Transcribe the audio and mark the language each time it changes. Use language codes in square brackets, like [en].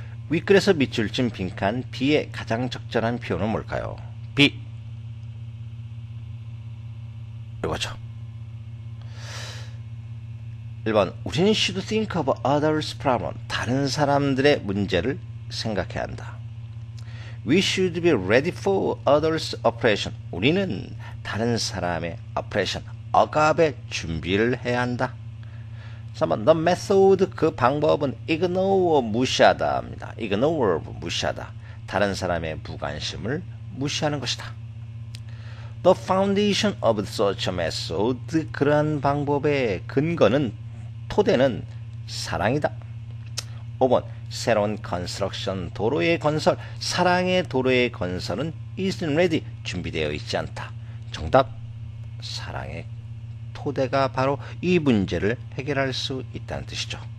[ko] 윗글에서 밑줄 친 빈칸 B의 가장 적절한 표현은 뭘까요? B 이거죠. 1번 우리는 [en] should think of others' problem, [ko] 다른 사람들의 문제를 생각해야 한다. [en] We should be ready for others' oppression, [ko] 우리는 다른 사람의 oppression, 억압에 준비를 해야 한다. 3번, [en] the method, [ko] 그 방법은 ignore, 무시하다 합니다. ignore, 무시하다. 다른 사람의 무관심을 무시하는 것이다. [en] The foundation of such a method, [ko] 그러한 방법의 근거는, 토대는 사랑이다. 5번, 새로운 construction, 도로의 건설, 사랑의 도로의 건설은 [en] isn't ready, [ko] 준비되어 있지 않다. 정답, 사랑의 토대가 바로 이 문제를 해결할 수 있다는 뜻이죠.